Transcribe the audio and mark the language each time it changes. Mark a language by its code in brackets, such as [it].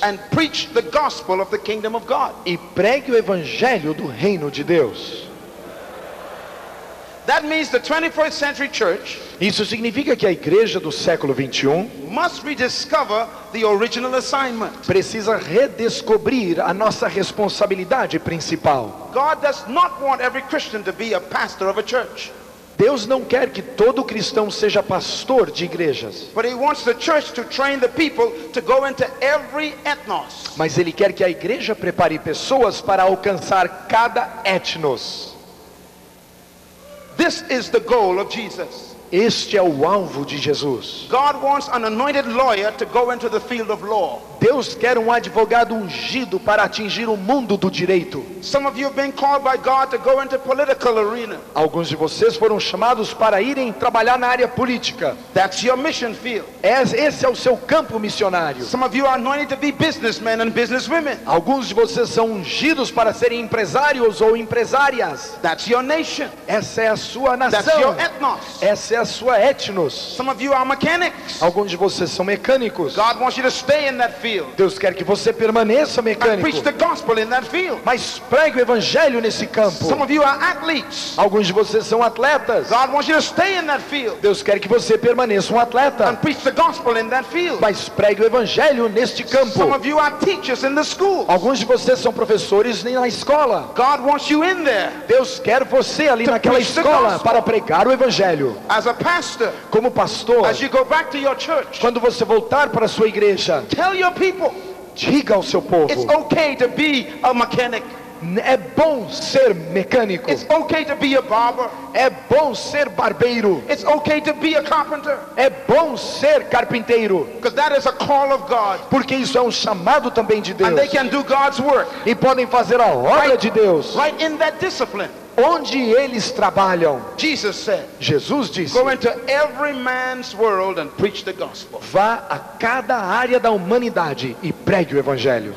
[en] and preach the gospel of the kingdom of God. [pt] E pregue o evangelho do reino de Deus. [en] That means the 21st century church, [pt] isso significa que a igreja do século 21, [en] must rediscover the original assignment. [pt] Precisa redescobrir a nossa responsabilidade principal. [en] God does not want every Christian to be a pastor of a church. [pt] Deus não quer que todo cristão seja pastor de igrejas. [en] But he wants the church to train the people to go into every ethnos. [pt] Mas ele quer que a igreja prepare pessoas para alcançar cada ethnos. [en] This is the goal of Jesus. [pt] Este é o alvo de Jesus. [en] God wants an anointed lawyer to go into the field of law. [pt] Deus quer advogado ungido para atingir o mundo do direito. [en] Some of you have been called by God to go into political arena. [pt] Alguns de vocês foram chamados para irem trabalhar na área política. [en] That's your mission field. [pt] Esse é o seu campo missionário. [en] Some of you are anointed to be businessmen and businesswomen. [pt] Alguns de vocês são ungidos para serem empresários ou empresárias. [en] That's your nation. [pt] Essa é a sua nação. [en] That's your ethnos. [pt] Essa é a sua ethnos. [en] Some of you are mechanics. [pt] Alguns de vocês são mecânicos. [en] God wants you to stay in that field. [pt] Deus quer que você permaneça mecânico. [en] Preach the gospel in that field. [pt] Mas pregue o evangelho nesse campo. [en] Some of you are athletes. [pt] Alguns de vocês são atletas. [en] God wants you to stay in that field. [pt] Deus quer que você permaneça atleta. [en] And preach the gospel in that field. [pt] Mas pregue o evangelho neste campo. [en] Some of you are teachers in the school. [pt] Alguns de vocês são professores na escola. [en] God wants you in there. [pt] Deus quer você ali naquela escola para pregar o evangelho. [en] As a pastor, [pt] como pastor, [en] as you go back to your church, [pt] quando você voltar para a sua igreja, [en] tell your people, [pt] diga ao seu povo, [en] it's okay to be a mechanic. [pt] É bom ser mecânico. [en] It's okay to be a barber. [pt] É bom ser barbeiro. [en] It's okay to be a carpenter. [pt] É bom ser carpinteiro. [en] Because that is a call of God. [pt] Porque isso é chamado também de Deus. [en] And they can do God's work. [pt] E podem fazer a obra [en] right, [pt] de Deus. [en] Right in that discipline. [pt] Onde eles trabalham. [en] Jesus, said, [pt] Jesus disse, [en] go into every man's world and preach the gospel. [pt] Vá a cada área da humanidade e pregue o evangelho.